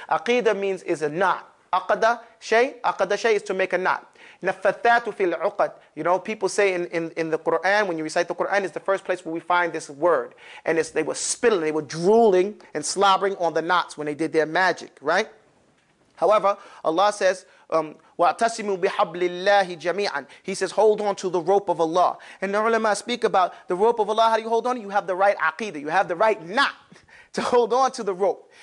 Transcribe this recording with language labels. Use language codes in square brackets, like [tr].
[en] Aqidah means is a knot. Aqada shay is to make a knot. [ar] Nafathatu fil uqad. [en] You know, people say in the Quran, when you recite the Quran, it's the first place where we find this word. And it's, they were spilling, they were drooling and slobbering on the knots when they did their magic, right? However, Allah says, [ar] وَاَعْتَسِمُوا بِحَبْلِ اللَّهِ جَمِيعًا. [en] He says, hold on to the rope of Allah. And the ulama speak about the rope of Allah. How do you hold on? You have the right aqidah. You have the right knot to hold on to the rope.